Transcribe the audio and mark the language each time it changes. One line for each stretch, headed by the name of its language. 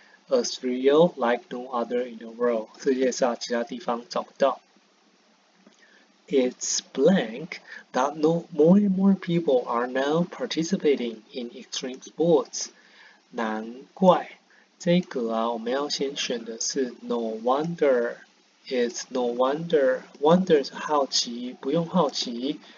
English: A thrill like no other in the world.
Chinese: 世界上其他地方找不到。
English: It's blank that no more and more people are now participating in extreme sports.
Chinese: 难怪这个啊，我们要先选的是 no wonder.
English: It's no wonder.
Chinese: Wonder 是好奇，不用好奇。